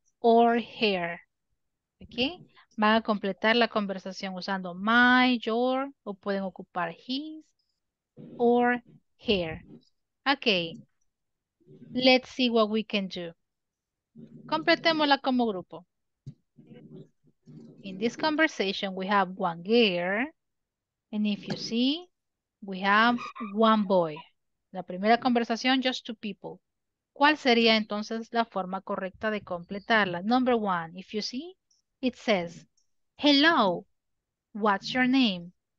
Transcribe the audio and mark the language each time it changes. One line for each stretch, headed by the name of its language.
Spanish: or her. ¿Okay? Van a completar la conversación usando my, your, o pueden ocupar his or her. Okay.
English: Let's see what we can do.
Spanish: Completémosla como grupo.
English: In this conversation, we have one girl. And if you see, we have one boy.
Spanish: La primera conversación,
English: just two people.
Spanish: ¿Cuál sería entonces la forma correcta de completarla?
English: Number one, if you see, it says, hello, what's your name?